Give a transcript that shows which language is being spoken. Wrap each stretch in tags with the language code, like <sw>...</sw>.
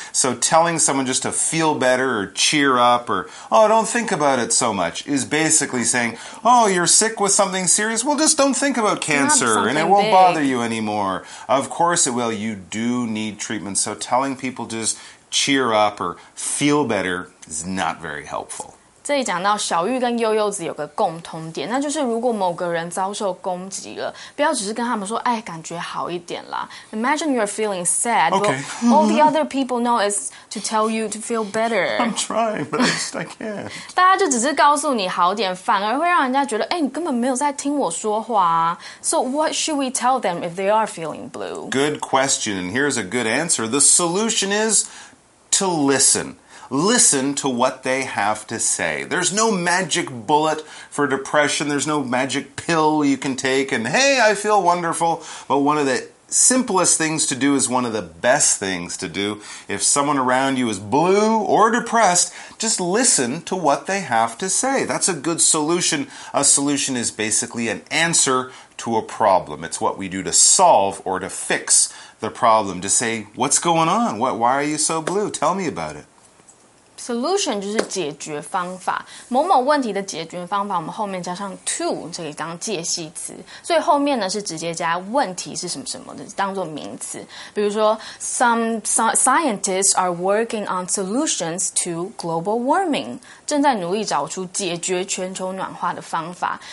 <en>So telling someone just to feel better or cheer up or, oh, don't think about it so much is basically saying, oh, you're sick with something serious? Well, just don't think about cancer and it won't bother you anymore. Of course it will. You do need treatment. So telling people just cheer up or feel better is not very helpful.</en> <zh>这里讲到小玉跟悠悠子有个共通点，那就是如果某个人遭受攻击了，不要只是跟他们说，哎，感觉好一点啦。</zh> <en>Imagine you're feeling sad, okay. But all the other people know is to tell you to feel better. I'm trying, but I can't.</en> <zh>大家就只是告诉你好点，反而会让人家觉得，哎，你根本没有在听我说话啊。</zh> <en>So what should we tell them if they are feeling blue? Good question, and here's a good answer. The solution is to listen. Listen to what they have to say. There's no magic bullet for depression. There's no magic pill you can take and, hey, I feel wonderful. But one of the simplest things to do is one of the best things to do. If someone around you is blue or depressed, just listen to what they have to say. That's a good solution. A solution is basically an answer to a problem. It's what we do to solve or to fix the problem. To say, what's going on? Why are you so blue? Tell me about it.</en> <zh>Solution 就是解决方法，某某问题的解决方法，我们后面加上 to 这个当介系词，所以后面呢是直接加问题是什么什么的，当作名词。比如说 ，</zh> <en>some scientists are working on solutions to global warming，</en> <zh>正在努力找出解决全球暖化的方法。</zh>